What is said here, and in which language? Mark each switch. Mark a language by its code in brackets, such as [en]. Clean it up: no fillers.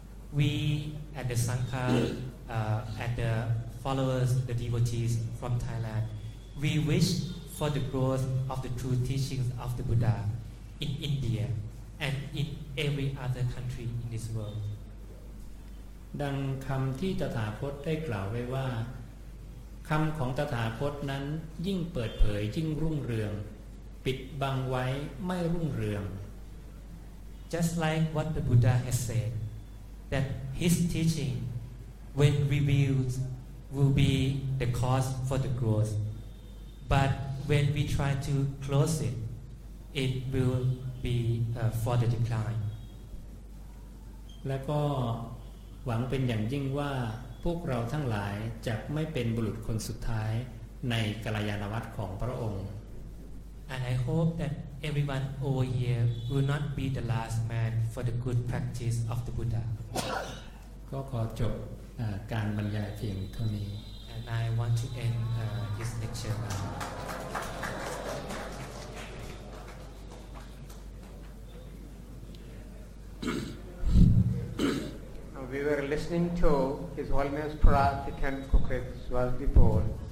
[en] we at the Sangha and the followers, the devotees from Thailand, we wish for the growth of the true teachings of the Buddha in India and in every other country in this world. [th] ดังคำที่ตถาคตได้กล่าวไว้ว่าคำของตถาคตนั้นยิ่งเปิดเผยยิ่งรุ่งเรืองปิดบังไว้ไม่รุ่งเรือง [en] Just like what the Buddha has said, that his teachingWhen revealed, will be the cause for the growth. But when we try to close it, it will be for the decline. [th] และก็หวังเป็นอย่างยิ่งว่าพวกเราทั้งหลายจะไม่เป็นบุรุษคนสุดท้ายในกัลยาณวัตรของพระองค์ [en] And I hope that everyone over here will not be the last man for the good practice of the Buddha. [th] ก็ขอจบการบรรยายเพียงเท่านี้ [en] And I want to end this lecture now. Now we were listening to His Holiness Prabhupada, the 10th Kukrit Swasthi Pol.